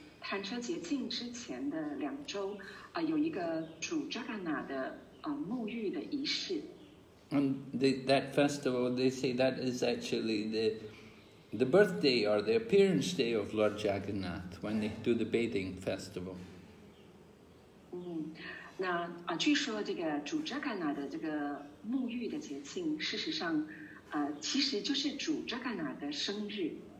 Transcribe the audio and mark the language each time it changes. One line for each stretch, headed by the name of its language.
Chinese: 坦车捷径之前的两周，有一个主扎嘎纳的沐浴的仪式。
English: And that festival, they say that is actually the birthday or the appearance day of Lord Jagannath when they do the bathing festival.
Chinese: 那据说这个主扎嘎纳的这个沐浴的节庆，事实上，其实就是主扎嘎纳的生日。